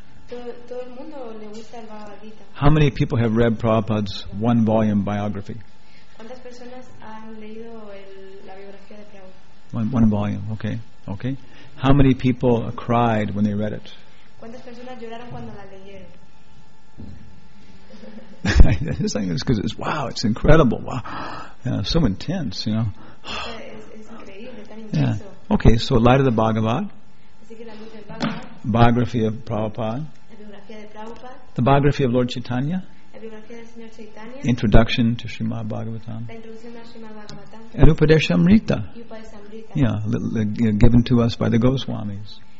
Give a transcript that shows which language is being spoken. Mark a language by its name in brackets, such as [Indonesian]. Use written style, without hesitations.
[Spanish] Todo el mundo le gusta el Bhagavatam. [English] How many people have read Prabhupada's one volume biography? [Spanish] ¿Cuántas personas han leído la biografía de Prabhupada? [English] One volume, okay. Okay. How many people cried when they read it? [Spanish] ¿Cuántas personas lloraron cuando la leyeron? [English] It's like, it's 'cause it's, wow, it's incredible. Wow. Yeah, so intense, you know. [Spanish] Es increíble, tan intenso. [English] Yeah. Okay, so Light of the Bhagavad. [Spanish] Así que la luz del Bhagavad. [English] Biography of Prabhupada. [Spanish] La biografía de Prabhupada. [English] The biography of Lord Chaitanya. [Spanish] La biografía del Señor Chaitanya. [English] Introduction to Srimad Bhagavatam. [Spanish] La introducción a Srimad Bhagavatam. [English] And Upadeshamrita. Yeah, given to us by the Goswamis.